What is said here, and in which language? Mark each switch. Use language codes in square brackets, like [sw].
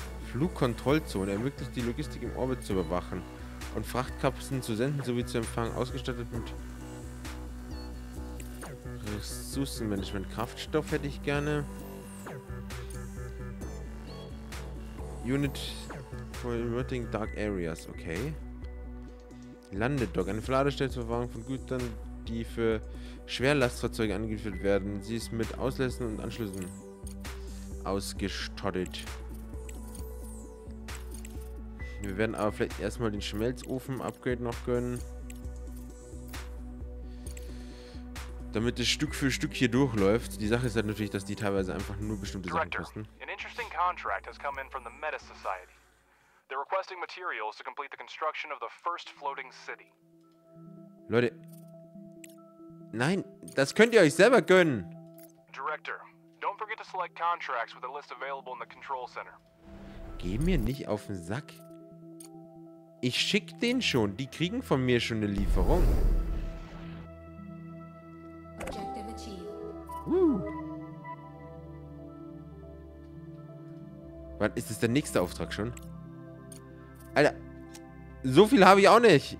[de] Flugkontrollzone ermöglicht die Logistik im Orbit zu überwachen und Frachtkapseln zu senden sowie zu empfangen. Ausgestattet mit Ressourcenmanagement. Kraftstoff hätte ich gerne. [en] Unit for Emerging Dark Areas, okay. [de] Landedock, eine Verladestelle zur Verwahrung von Gütern, die für Schwerlastfahrzeuge angeführt werden. Sie ist mit Auslässen und Anschlüssen ausgestattet. Wir werden aber vielleicht erstmal den Schmelzofen-Upgrade noch gönnen. Damit es Stück für Stück hier durchläuft. Die Sache ist halt natürlich, dass die teilweise einfach nur bestimmte Sachen kosten. Ein interessanter Kontrakt hat von der Meta-Society gekommen. Sie requesten Materialien, um die Konstruktion der ersten floating City zu Leute. Nein, das könnt ihr euch selber gönnen. [en] Director, don't forget to select contracts with a list available in the control center. [de] Geh mir nicht auf den Sack. Ich schick den schon. Die kriegen von mir schon eine Lieferung. [en] Objective achieved. Woo. [de] Wann ist es der nächste Auftrag schon? Alter, so viel habe ich auch nicht.